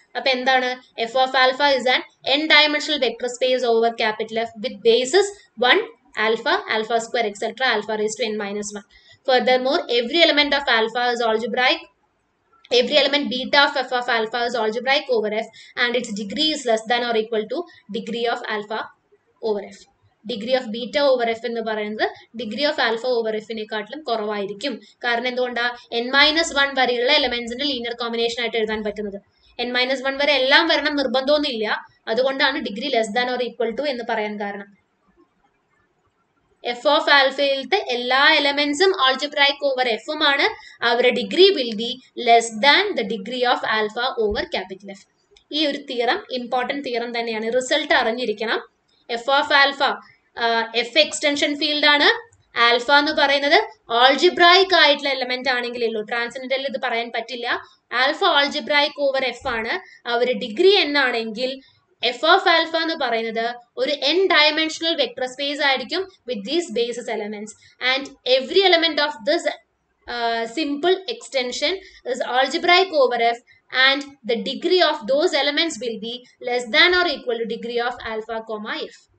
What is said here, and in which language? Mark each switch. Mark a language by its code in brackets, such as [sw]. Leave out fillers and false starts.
[ml] appa endana [en] f of alpha is an n dimensional vector space over capital f with basis 1 alpha, alpha square, etc., alpha raised to n minus 1. Furthermore, every element of alpha is algebraic, every element beta of f of alpha is algebraic over f, and its degree is less than or equal to degree of alpha over f. [ml] Degree of beta over F എന്ന് പറയുന്നത് degree of alpha over എഫിനെക്കാട്ടിലും കുറവായിരിക്കും. കാരണം എന്തുകൊണ്ടാ N minus one വരെയുള്ള എലമെന്റ്സിന് linear combination ആയിട്ട് എഴുതാൻ പറ്റുന്നത്. N minus one വരെ എല്ലാം വരണം നിർബന്ധമൊന്നുമില്ല, അതുകൊണ്ടാണ് [en] degree less than or equal to [ml] എന്ന് പറയാൻ കാരണം. എഫ് ഓഫ് ആൽഫയിലത്തെ എല്ലാ എലമെന്റ്സും ആൾജിബ്രൈക് ഓവർ എഫും ആണ്, അവരുടെ degree [en] Will be less than the degree of alpha over capital F. [ml] ഈ ഒരു തിയറം ഇമ്പോർട്ടൻറ്റ് തിയറം തന്നെയാണ്, റിസൾട്ട് അറിഞ്ഞിരിക്കണം. F of alpha F extension field ആണ്, ആൽഫ എന്ന് പറയുന്നത് ആൾജിബ്രായിക് ആയിട്ടുള്ള എലമെന്റ് ആണെങ്കിലല്ലോ, ട്രാൻസെൻഡന്റൽ ഇത് പറയാൻ പറ്റില്ല. ആൽഫ ആൾജിബ്രായിക് ഓവർ എഫ് ആണ്, അവര് ഡിഗ്രി എൻ ആണെങ്കിൽ എഫ് ഓഫ് ആൽഫ എന്ന് പറയുന്നത് ഒരു എൻ ഡയമെൻഷണൽ വെക്ടർ സ്പേസ് ആയിരിക്കും [en] With these basis elements, and every element of this simple extension is algebraic over F. And the degree of those elements will be less than or equal to degree of alpha comma f.